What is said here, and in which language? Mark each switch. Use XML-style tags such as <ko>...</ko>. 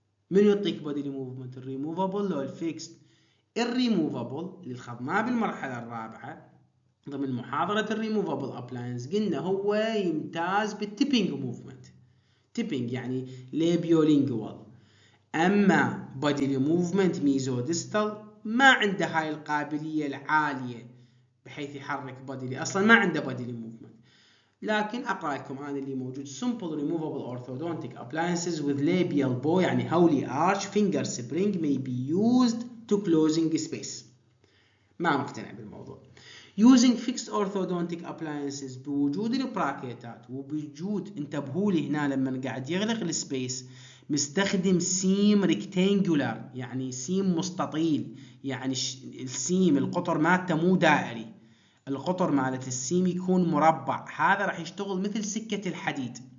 <ar>من يعطيك بديلي موفمنت؟ الريموفابل أو الفيكست؟ الريموفابل اللي خضناه بالمرحلة الرابعة ضمن محاضرة الريموفابل أبلاينس، قلنا هو يمتاز بالتيبينج موفمنت، تيبينج يعني ليبيولينجوال. أما بديلي موفمنت ميزوديستال ما عنده هاي القابلية العالية بحيث يحرك بديلي، أصلا ما عنده بديلي موفمنت. لكن أقرأ لكم أنا اللي موجود:</ar> <en>simple removable orthodontic appliances with labial bow</en> <ar>يعني هولي</ar> <en>arch finger spring may be used to closing space.</en> <ar>ما مقتنع بالموضوع.</ar> <en>Using fixed orthodontic appliances</en> <ar>بوجود البراكيتات وبوجود، انتبهوا لي هنا لما قاعد يغلق السبيس مستخدم سيم ريكتانجولار يعني سيم مستطيل، يعني السيم القطر مالته مو دائري، القطر مالت السيم يكون مربع، هذا راح يشتغل مثل سكة الحديد.</ar>